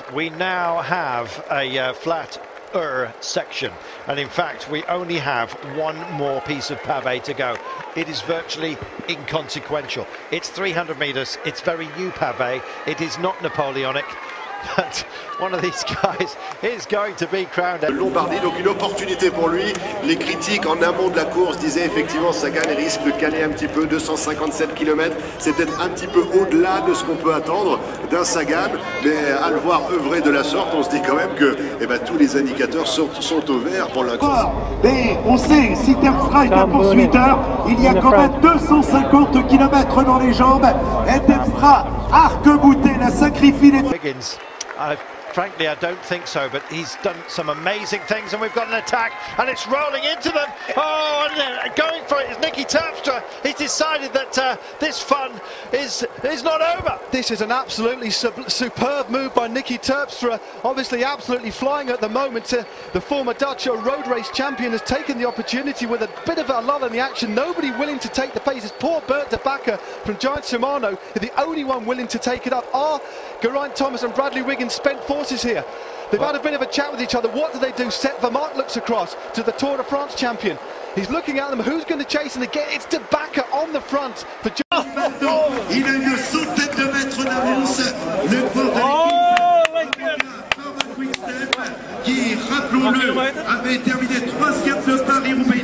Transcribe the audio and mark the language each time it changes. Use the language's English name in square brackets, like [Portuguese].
[English] We now have a flat section, and in fact we only have one more piece of pavé to go. It is virtually inconsequential. It's 300 meters. It's very new pavé. It is not Napoleonic. but one of these guys is going to be crowned. [French] Lombardie, donc une opportunité pour lui. Les critiques en amont de la course disaient effectivement Sagan risque de caler un petit peu, 257 km. C'est peut-être un petit peu au-delà de ce qu'on peut attendre d'un Sagan, mais à le voir œuvrer de la sorte, on se dit quand même que eh ben, tous les indicateurs sont au vert pour l'instant. Mais on sait, si Terpstra est un poursuiteur, il y a quand même 250 km dans les jambes, et Terpstra arc-bouté, la sacrifie des... [English] Higgins. Frankly, I don't think so, but he's done some amazing things, and we've got an attack, and it's rolling into them. Oh, and going for it is Niki Terpstra. He's decided that this fun is not over. This is an absolutely superb move by Niki Terpstra, obviously absolutely flying at the moment. The former Dutch road race champion has taken the opportunity with a bit of a lull in the action. Nobody willing to take the pace. It's poor Bert De Backer from Giant Shimano, the only one willing to take it up. Geraint Thomas and Bradley Wiggins spent forces here. They've had a bit of a chat with each other. What do they do? Seth Vermaat looks across to the Tour de France champion. He's looking at them. Who's going to chase? And again, it's De Backer on the front for [French] Il a une saute tête de maître d'avance. Le port de qui, rappelons-le, avait terminé 3e de Paris-Roubaix.